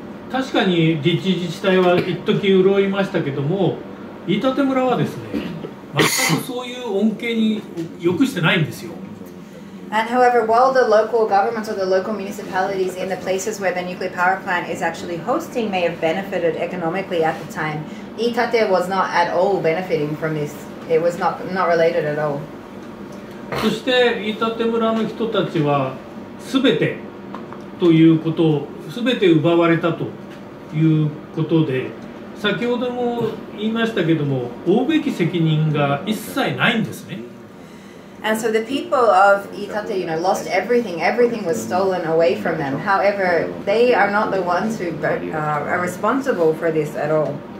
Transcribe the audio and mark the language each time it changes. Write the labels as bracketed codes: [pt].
[ja] 確かに立地自治体は一時潤いましたけども、飯舘村はですね、全くそういう恩恵に良くしてないんですよ。 [en] And however, while the local governments or the local municipalities in the places where the nuclear power plant is actually hosting may have benefited economically at the time, 飯舘 was not at all benefiting from this. It was not related at all. [ja] そして飯舘村の人たちは全てということを全て奪われたということで、先ほども言いましたけども、負うべき責任が一切ないんですね。 [en] And so the people of Itate, you know, lost everything. Everything was stolen away from them. However, they are not the ones who are responsible for this at all.